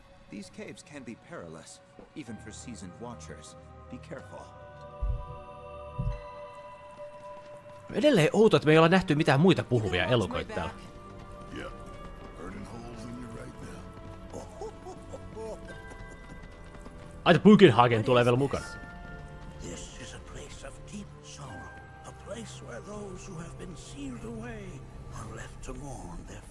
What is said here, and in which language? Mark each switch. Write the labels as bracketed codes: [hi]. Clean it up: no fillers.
[en] These caves can be perilous, even for seasoned watchers. Be careful. [fi] Edelleen outo, että me ei olla nähty mitään muita puhuvia elukoita täällä. Ai, Bugenhagen tulee vielä mukaan. [en] This is a place of deep sorrow, a place where those who have been sealed away are left to mourn.